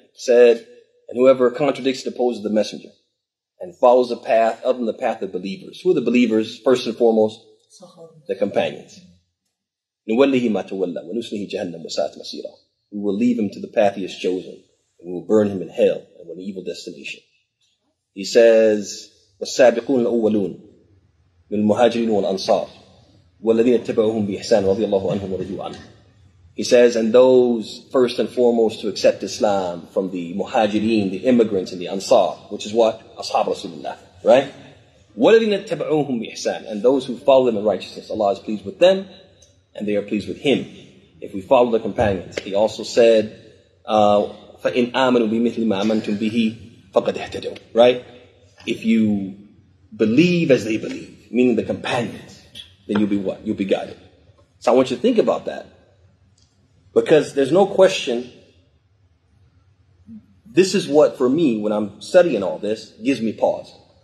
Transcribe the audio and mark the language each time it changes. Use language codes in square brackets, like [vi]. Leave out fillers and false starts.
[en] Said, and whoever contradicts the pose of the messenger and follows the path other than the path of believers. Who are the believers, first and foremost? The companions. [ar] نُوَلِّهِ مَا تَوَلَّى وَنُسْلِهِ جَهَنَّمُ وَسَاءَتْ مَصِيرًا. [en] We will leave him to the path he has chosen, and we will burn him in hell and an evil destination. He says, [ar] "والسابقون الأولون من المهاجرين والأنصار والذين اتبعوهم بإحسان رضي الله عنهم ورضوا عنه." [en] He says, "And those first and foremost to accept Islam from the muhajirin, the immigrants, and the ansar, which is what ashab Rasulullah, right? [ar] والذين اتبعوهم بإحسان, [en] and those who follow them in righteousness, Allah is pleased with them, and they are pleased with Him." if we follow the companions. He also said, [ar] فَإِنْ آمَنُوا بِمِثْلِ مَا آمَنْتُمْ بِهِ فَقَدْ اهْتَدَوْا. [en] Right? If you believe as they believe, meaning the companions, then you'll be what? You'll be guided. So I want you to think about that. Because there's no question, this is what, for me, when I'm studying all this, gives me pause.